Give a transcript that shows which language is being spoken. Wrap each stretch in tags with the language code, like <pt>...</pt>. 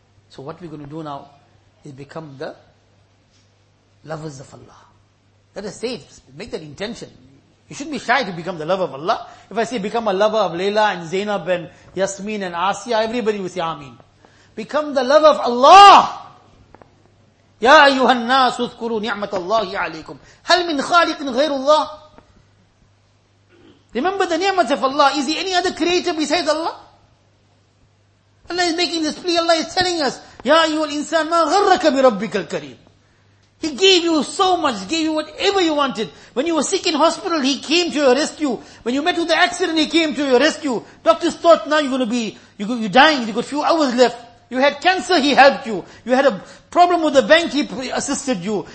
<en>So what we're going to do now is become the lovers of Allah. Let us say it, make that intention. You shouldn't be shy to become the lover of Allah. If I say become a lover of Layla and Zainab and Yasmin and Asiya, everybody will say Ameen. Become the lover of Allah.</en> <ar>يا أيها الناس اذكروا نعمة الله عليكم هل من خالق غير الله.</ar> <en>Remember the ni'mat of Allah. Is there any other creator besides Allah? Allah is making this plea. Allah is telling us,</en> <ar>يا أيها الإنسان ما غرك بربك الكريم.</ar> <en>He gave you so much, gave you whatever you wanted. When you were sick in hospital, He came to your rescue. When you met with the accident, He came to your rescue. Doctors thought now you're dying, you've got few hours left. You had cancer, He helped you. You had a problem with the bank, He assisted you.</en>